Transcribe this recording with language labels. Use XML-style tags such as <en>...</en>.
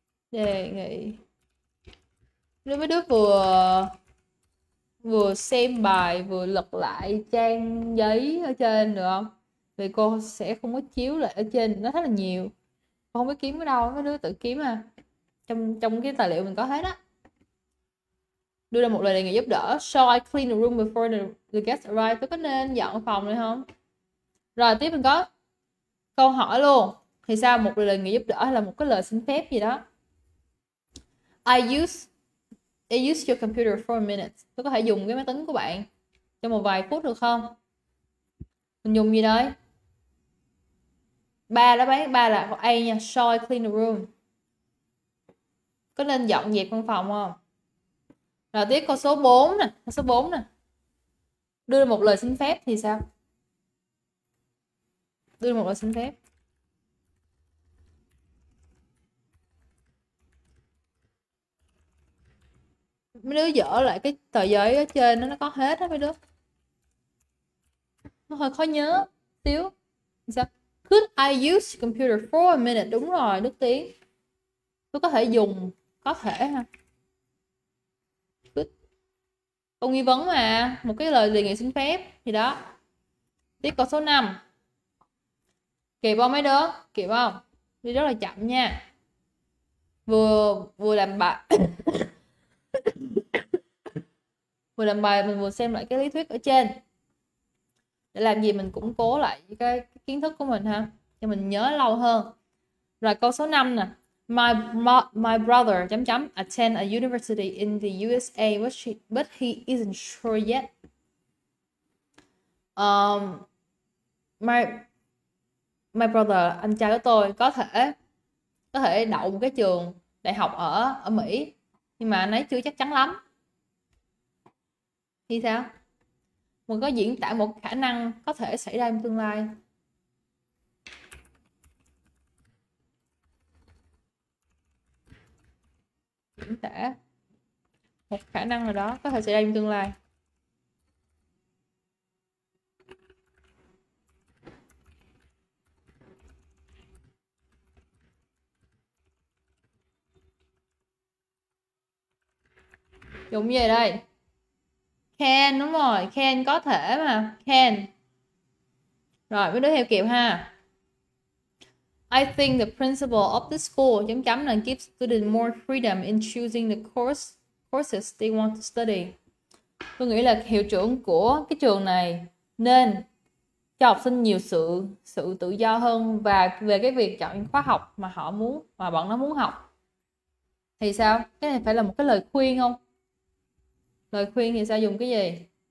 <vi>Đề nghị. Nếu mấy đứa vừa xem bài vừa lật lại trang giấy ở trên được không? Thì cô sẽ không có chiếu lại ở trên, nó rất là nhiều. Cô không biết kiếm ở đâu, mấy đứa tự kiếm à. Trong cái tài liệu mình có hết á. Đưa ra một lời đề nghị giúp đỡ.</vi> <en>So I clean the room before the guests arrive.</en> <vi>Tôi có nên dọn phòng này không? Rồi tiếp mình có câu hỏi luôn. Thì sao một lời đề nghị giúp đỡ hay là một cái lời xin phép gì đó?</vi> <en>I use your computer for a minute.</en> <vi>Tôi có thể dùng cái máy tính của bạn trong một vài phút được không? Mình dùng gì đấy? Ba đó bé, ba là A nha.</vi> <en>So I clean the room.</en> <vi>Có nên dọn dẹp văn phòng không? Rồi tiếp câu số 4 nè. Câu số 4 nè. Đưa một lời xin phép thì sao? Đưa một lời xin phép. Mấy đứa dở lại cái tờ giấy ở trên đó, nó có hết á mấy đứa. Nó hơi khó nhớ xíu. Sao?</vi> <en>Could I use the computer for a minute?</en> <vi>Đúng rồi, Đức Tiến. Tôi có thể dùng, có thể ha. Could. Câu nghi vấn mà, một cái lời đề nghị xin phép thì đó. Tiếp câu số 5. Kịp không mấy đứa? Kịp không? Đi rất là chậm nha. Vừa làm bài. Vừa làm bài mình vừa xem lại cái lý thuyết ở trên. Để làm gì mình củng cố lại cái kiến thức của mình ha, cho mình nhớ lâu hơn. Rồi câu số 5 nè.</vi> <en>My brother</en> <vi>chấm chấm</vi> <en>attend a university in the USA but he isn't sure yet. My brother,</en> <vi>anh trai của tôi có thể đậu một cái trường đại học ở ở Mỹ, nhưng mà anh ấy chưa chắc chắn lắm. Thì sao? Mình có diễn tả một khả năng có thể xảy ra trong tương lai. Diễn tả một khả năng nào đó có thể xảy ra trong tương lai. Dùng gì đây? Can, đúng rồi, can có thể mà, can. Rồi mới đứa theo kịp ha.</vi> <en>I think the principle of the school</en> <vi>chấm chấm là</vi> <en>give students more freedom in choosing the courses they want to study.</en> <vi>Tôi nghĩ là hiệu trưởng của cái trường này nên cho học sinh nhiều sự tự do hơn và về cái việc chọn khóa học mà họ muốn, mà bọn nó muốn học. Thì sao? Cái này phải là một cái lời khuyên không? Lời khuyên thì sao, dùng cái gì?</vi>